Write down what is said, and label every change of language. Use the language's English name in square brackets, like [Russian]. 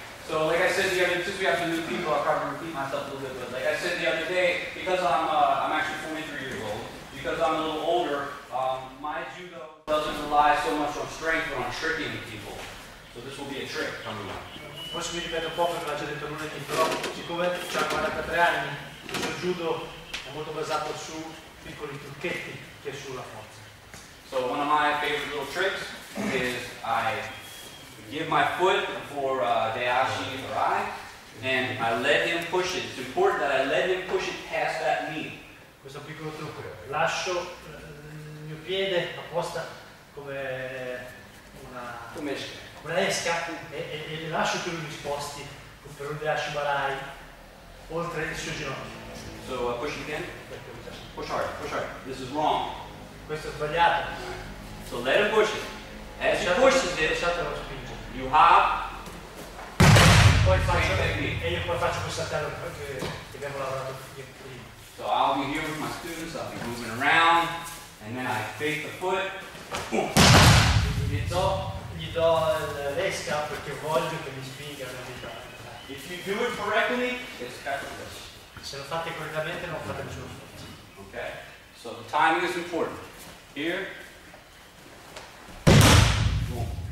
[English] So like I said the other, since we have some new people, I'll probably repeat myself a little bit, but like I said the other day, because I'm actually 43 years old, because I'm a little older, my judo doesn't rely so much on strength, but on tricking people. So this will be a trick coming up. [Italian] Forse mi ripeto un po' perché l'ha già detto lunedì, però siccome ho 43 anni, il suo judo è molto basato su piccoli trucchetti che sulla forza. [English] So one of my favorite little tricks is I give my foot for Daishi or I, and I let him push it. It's important that I let him push it past that knee. [Italian] Questo piccolo trucco, lascio il mio piede apposta come una... Come esce. Una esca e lascio che lui mi sposti per un Daishi Barai oltre il suo ginocchio. [English] So push again? Push hard, push hard. This is wrong. [Italian] Questo è sbagliato. [English] So let him push it. As he pushes it, [Italian] lasciatelo spingere. [English] You hop. [Italian] Poi faccio e io poi faccio questo saltello perché abbiamo lavorato prima. [English] So I'll be here with my students, I'll be moving around, and then I fake the foot. Boom. [Italian] Gli do l'esca perché voglio che mi spinga una vita. [English] If you do it correctly, it's effortless. [Italian] Se lo fate correttamente non fate nessuno sforzo. [English] Ok, so the timing is important. Here. Boom.